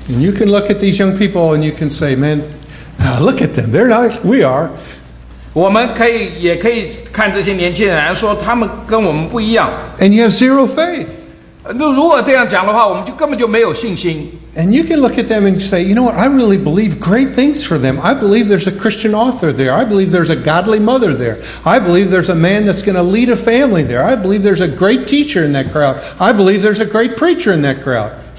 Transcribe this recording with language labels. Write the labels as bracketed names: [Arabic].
[English] And you can look at these young people and you can say, man, look at them. They're not. We are. [Chinese] 我们可以看这些年轻人说他们跟我们不一样。 [English] And you have zero faith. [Chinese] 如果这样讲的话，我们就根本就没有信心。 [English] And you can look at them and say, you know what? I really believe great things for them. I believe there's a Christian author there. I believe there's a godly mother there. I believe there's a man that's going to lead a family there. I believe there's a great teacher in that crowd. I believe there's a great preacher in that crowd.